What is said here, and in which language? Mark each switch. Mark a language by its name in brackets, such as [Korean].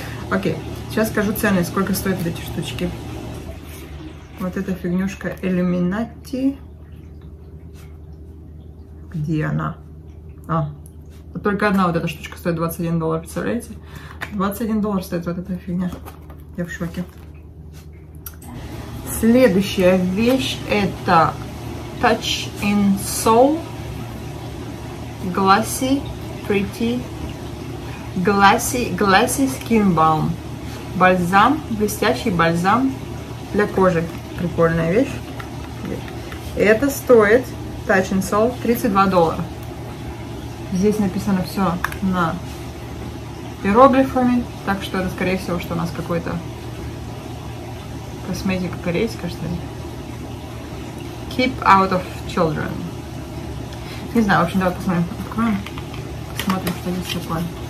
[Russian] Окей, сейчас скажу цены, сколько стоят эти штучки. Вот эта фигнюшка Illuminati. Где она? А, Только одна вот эта штучка стоит $21, представляете? $21 стоит вот эта фигня. Я в шоке. Следующая вещь – это Touch and Soul Glassy Pretty Glassy Skin Balm. Бальзам, блестящий бальзам для кожи. Прикольная вещь. Это стоит Touch and Soul $32. Здесь написано все на иероглифами, так что это, скорее всего, что у нас какой-то косметик корейский, что ли. [English] Keep out of children. [Russian] Не знаю, в общем, давай посмотрим. Откроем. Посмотрим, что здесь такое.